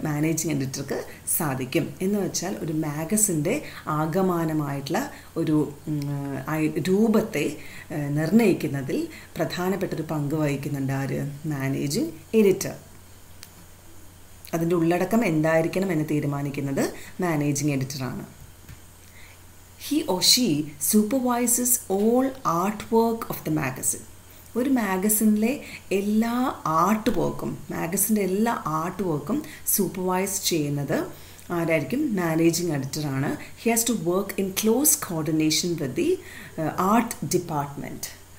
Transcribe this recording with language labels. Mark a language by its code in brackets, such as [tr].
[ml] Managing എഡിറ്റർക്ക് സാധിക്കും. എന്ന് വെച്ചാൽ ഒരു മാഗസിൻ്റെ ആഗമാനമായിട്ടുള്ള ഒരു രൂപത്തെ നിർണയിക്കുന്നതിൽ പ്രധാനപ്പെട്ടൊരു പങ്ക് വഹിക്കുന്നുണ്ട് ആര്? Managing editor. അതിൻ്റെ ഉള്ളടക്കം എന്തായിരിക്കണം എന്ന് തീരുമാനിക്കുന്നത് managing എഡിറ്ററാണ്. [en] He or she supervises all artwork of the magazine. [ml] ഒരു മാഗസിനിലെ എല്ലാ ആർട്ട് വർക്കും, മാഗസിൻ്റെ എല്ലാ ആർട്ട് വർക്കും സൂപ്പർവൈസ് ചെയ്യുന്നത് ആരായിരിക്കും? Managing എഡിറ്ററാണ്. [en] He has to work in close coordination with the art department.